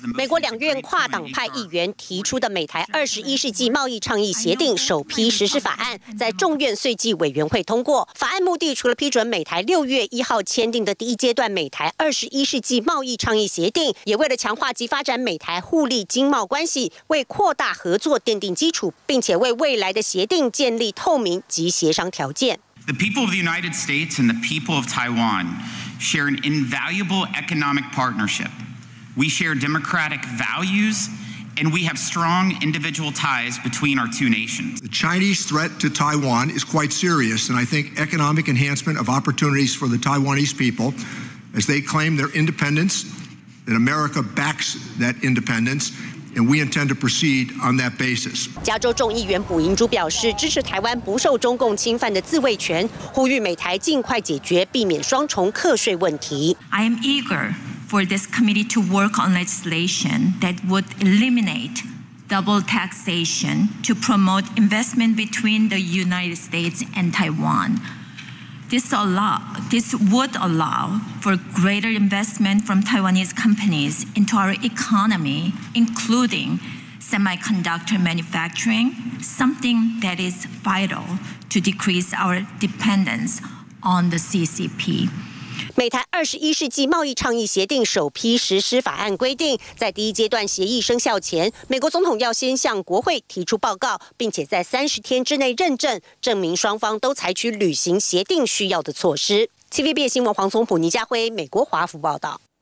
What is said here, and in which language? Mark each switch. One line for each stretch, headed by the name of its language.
Chinese: 美国两院跨党派议员提出的美台二十一世纪贸易倡议协定首批实施法案，在众院岁季委员会通过。法案目的除了批准美台六月一号签订的第一阶段美台二十一世纪贸易倡议协定，也为了强化及发展美台互利经贸关系，为扩大合作奠定基础，并且为未来的协定建立透明及协商条件。
English: The people of the United States and the people of Taiwan share an invaluable economic partnership. We share democratic values, and we have strong individual ties between our two nations. The Chinese threat to Taiwan is quite serious, and I think economic enhancement of opportunities for the Taiwanese people, as they claim their independence, that America backs that independence. And we intend to proceed on that basis.
Chinese: 加州众议员卜银珠表示支持台湾不受中共侵犯的自卫权，呼吁美台尽快解决避免双重课税问题。
English: I am eager for this committee to work on legislation that would eliminate double taxation to promote investment between the United States and Taiwan. This would allow for greater investment from Taiwanese companies into our economy, including semiconductor manufacturing, something that is vital to decrease our dependence on the CCP.
Chinese: 美台二十一世纪贸易倡议协定首批实施法案规定，在第一阶段协议生效前，美国总统要先向国会提出报告，并且在三十天之内认证，证明双方都采取履行协定需要的措施。 TVBS 新闻黄松浦、倪家辉，美国华府报道。